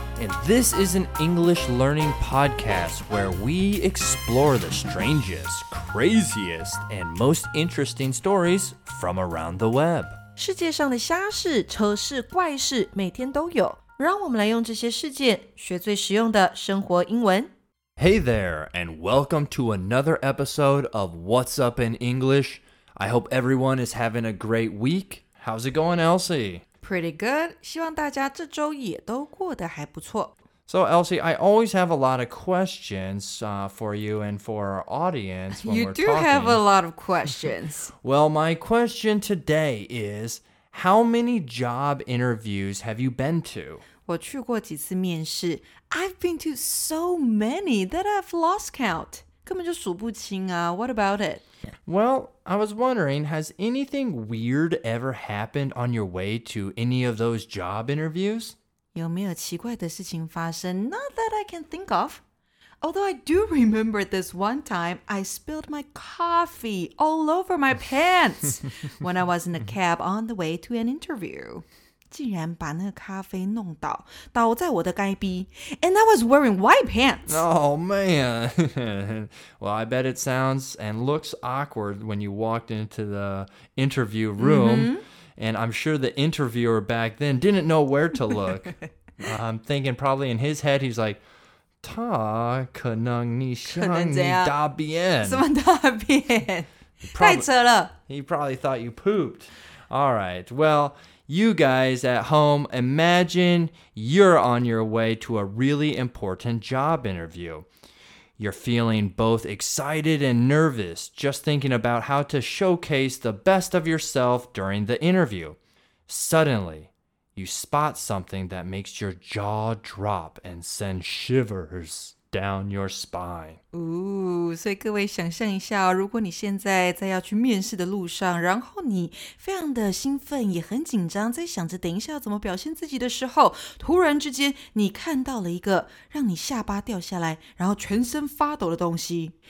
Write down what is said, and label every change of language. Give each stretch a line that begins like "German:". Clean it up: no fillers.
English: And this is an English learning podcast where we explore the strangest, craziest, and most interesting stories from around the web.
Chinese: 世界上的瞎事、丑事、怪事每天都有。让我们来用这些事件学最实用的生活英文。
English: Hey there, and welcome to another episode of What's Up in English. I hope everyone is having a great week. How's it going, Elsie? Pretty good.
Chinese: 希望大家这周也都过得还不错。
English: So, Elsie, I always have a lot of questions, for you and for our audience when you we're do talking. Have a lot of questions. Well, my question today is, how many job interviews have you been to?
Chinese: 我去过几次面试
English: I've been to so many that I've lost count.
Chinese: 根本就数不清啊
English: What about it? Well, I was wondering, has anything weird ever happened on your way to any of those job interviews?
Chinese: 有没有奇怪的事情发生
English: Not that I can think of. Although I do remember this one time, I spilled my coffee all over my pants when I was in a cab on the way to an interview.
Chinese: 竟然把那个咖啡弄倒，倒在我的该逼。
English: And I was wearing white pants. Oh, man. Well, I bet it sounds and looks awkward when you walked into the interview room. Mm-hmm. And I'm sure the interviewer back then didn't know where to look. I'm thinking probably in his head, he's like,
Chinese: 他可能你想你大便。什么大便？太扯了。
English: He probably thought you pooped. All right, well... You guys at home, imagine you're on your way to a really important job interview. You're feeling both excited and nervous, just thinking about how to showcase the best of yourself during the interview. Suddenly, you spot something that makes your jaw drop and send shivers. Down your spine.
Chinese: Ooh, 所以各位想象一下哦，如果你现在在要去面试的路上，然后你非常的兴奋，也很紧张，在想着等一下要怎么表现自己的时候，突然之间你看到了一个让你下巴掉下来，然后全身发抖的东西。